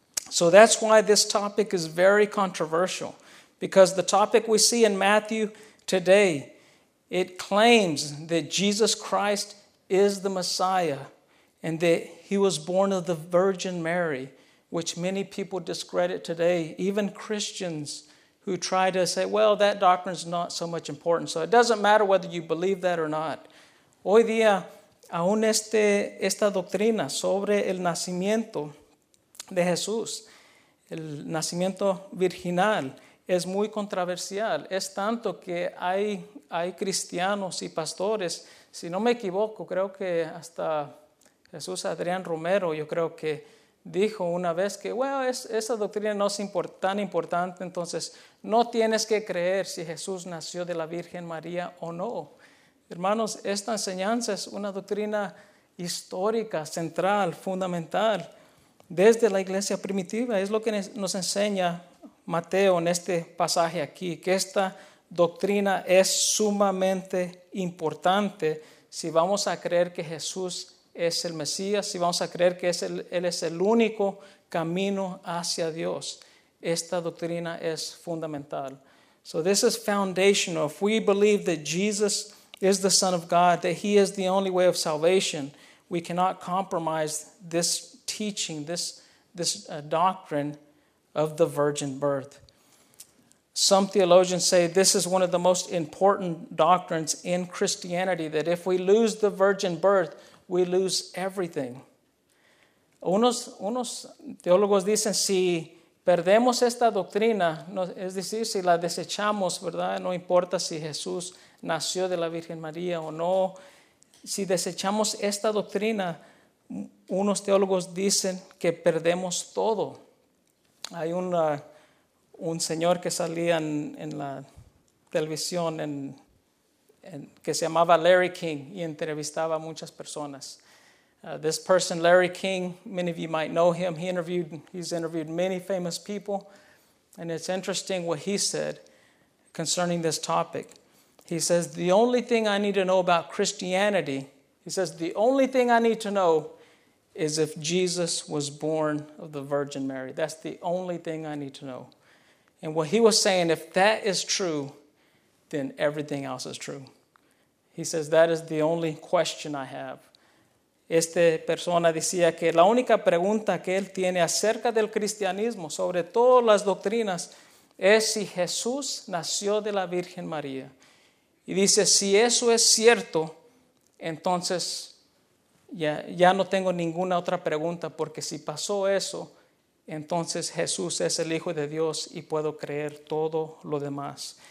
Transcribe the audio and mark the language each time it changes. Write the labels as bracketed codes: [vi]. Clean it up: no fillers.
[en] So that's why this topic is very controversial, because the topic we see in Matthew today, it claims that Jesus Christ is the Messiah and that he was born of the Virgin Mary, which many people discredit today, even Christians who try to say, well, that doctrine is not so much important, so it doesn't matter whether you believe that or not. [es] Hoy día, aún esta doctrina sobre el nacimiento de Jesús, el nacimiento virginal, es muy controversial. Es tanto que hay cristianos y pastores, si no me equivoco, creo que hasta Jesús Adrián Romero, yo creo que dijo una vez que, bueno, esa doctrina no es tan importante, entonces no tienes que creer si Jesús nació de la Virgen María o no. Hermanos, esta enseñanza es una doctrina histórica, central, fundamental, desde la iglesia primitiva. Es lo que nos enseña Mateo en este pasaje aquí, que esta doctrina es sumamente importante si vamos a creer que Jesús es el Mesías, si vamos a creer que Él es el único camino hacia Dios. Esta doctrina es fundamental. [en] So this is foundational. If we believe that Jesus is the Son of God, that He is the only way of salvation, we cannot compromise this teaching, this doctrine of the virgin birth. Some theologians say this is one of the most important doctrines in Christianity, that if we lose the virgin birth, we lose everything. [es] Unos teólogos dicen, si perdemos esta doctrina, es decir, si la desechamos, ¿verdad? No importa si Jesús nació de la Virgen María o no. Si desechamos esta doctrina, unos teólogos dicen que perdemos todo. Hay un señor que salía en la televisión que se llamaba Larry King y entrevistaba a muchas personas. [en] This person, Larry King, many of you might know him. He's interviewed many famous people. And it's interesting what he said concerning this topic. He says, the only thing I need to know about Christianity, he says, the only thing I need to know is if Jesus was born of the Virgin Mary. That's the only thing I need to know. And what he was saying, if that is true, then everything else is true. He says, that is the only question I have. [es] Esta persona decía que la única pregunta que él tiene acerca del cristianismo, sobre todas las doctrinas, es si Jesús nació de la Virgen María. Y dice, si eso es cierto, entonces ya no tengo ninguna otra pregunta, porque si pasó eso, entonces Jesús es el Hijo de Dios y puedo creer todo lo demás.